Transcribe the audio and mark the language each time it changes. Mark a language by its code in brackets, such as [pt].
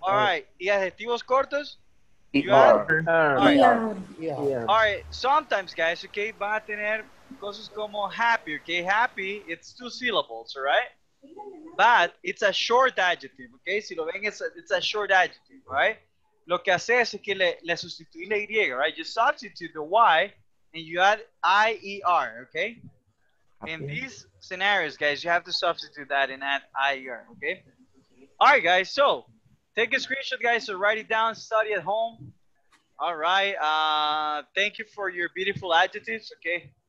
[en] All right. [es] ¿Y adjetivos cortos? [en] All right, sometimes guys, okay, [es] van a tener cosas como [en] happy, okay? Happy, it's two syllables, all right? But it's a short adjective, okay? [es] Si lo ven, [en] it's a short adjective, right? [es] Lo que hace es que le sustituye la Y, right? [en] You substitute the Y and you add I-E-R, okay? In these scenarios, guys, you have to substitute that and add I-E-R, okay? All right, guys, so... Take a screenshot, guys, so write it down, study at home. All right. Thank you for your beautiful adjectives, okay?